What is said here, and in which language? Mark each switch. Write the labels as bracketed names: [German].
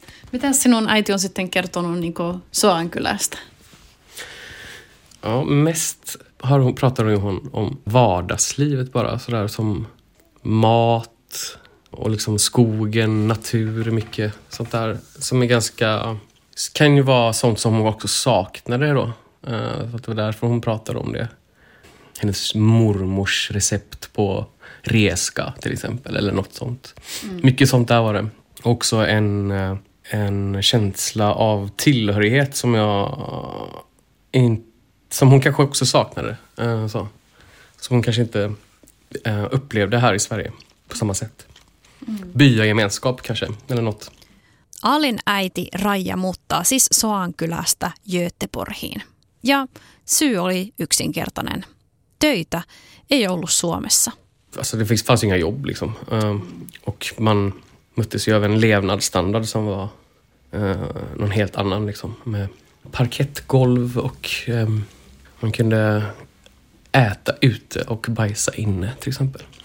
[Finnish] Miten sinun äiti on sitten kertonut niin kuin Sodankylästä? [Swedish] Ja, mest har hon, pratar hon om vardagslivet bara, sådär som mat och liksom skogen, natur, mycket sånt där som är ganska, kan ju vara sånt som hon också saknade då. Så det var därför hon pratade om det. Hennes mormors recept på reska till exempel, eller något sånt. Mm. Mycket sånt där var det. Också en känsla av tillhörighet som jag inte... Som hon kanske också saknade. Så. Som hon kanske inte upplevde här i Sverige på samma sätt. Mm. Bygemenskap kanske, eller något. [Finnish] Alin äiti Raija muuttaa siis Soankylästä Göteborgiin. Ja syy oli yksinkertainen. Töitä ei ollut Suomessa. [Swedish] Alltså det fanns inga jobb liksom. Och man möttes ju av en levnadsstandard som var någon helt annan liksom. Med parkettgolv och... Man kunde äta ute och bajsa inne, till exempel.